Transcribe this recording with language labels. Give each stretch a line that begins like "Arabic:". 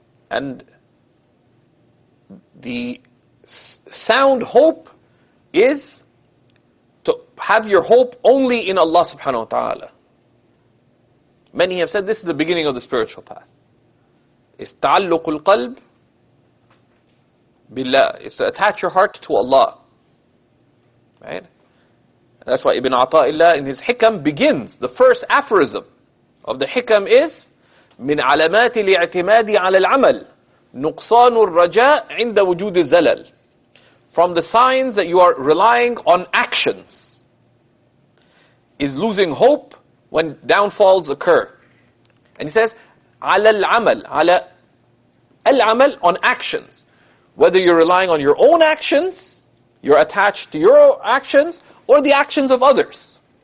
English: And the sound hope is to have your hope only in Allah subhanahu wa ta'ala. Many have said this is the beginning of the spiritual path. It's ta'alluq al-qalb billah. It's to attach your heart to Allah. Right? That's why Ibn Ata'illah in his Hikam begins. The first aphorism of the Hikam is
Arabic: مِنْ عَلَمَاتِ لِاعْتِمَادِ عَلَى الْعَمَلِ نُقْصَانُ الرَّجَاءِ عِنْدَ وُجُودِ الزَّلَلِ.
English: From the signs that you are relying on actions is losing hope when downfalls occur. And he says
Arabic: عَلَى الْعَمَلِ عَلَى الْعَمَلِ
English: on actions. Whether you're relying on your own actions, you're attached to your actions, or the actions of others.